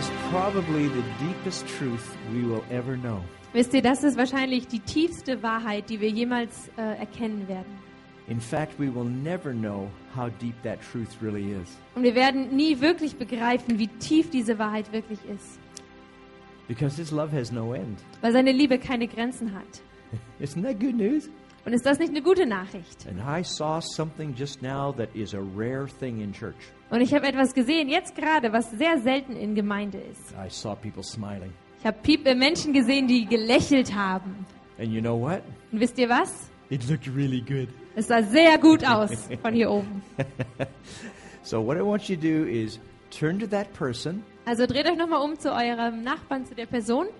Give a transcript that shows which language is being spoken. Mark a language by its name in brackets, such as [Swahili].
[English] Probably the deepest truth we will ever know. [German] Wisst ihr, das ist wahrscheinlich die tiefste Wahrheit, die wir jemals erkennen werden. [English] In fact, we will never know how deep that truth really is. [German] Und wir werden nie wirklich begreifen, wie tief diese Wahrheit wirklich ist. [English] Because his love has no end. [German] Weil seine Liebe keine Grenzen hat. [English] Isn't that good news? [German] Und ist das nicht eine gute Nachricht? [English] And I saw something just now that is a rare thing in church. [German] Und ich habe etwas gesehen, jetzt gerade, was sehr selten in Gemeinde ist. [English] I saw people smiling. [German] Ich habe Menschen gesehen, die gelächelt haben. [English] And you know what? [German] Und wisst ihr was? [English] It looked really good. [German] Es sah sehr gut aus von hier oben. [English] So what I want you to do is turn to that person. [German] Also dreht euch nochmal um zu eurem Nachbarn, zu der Person.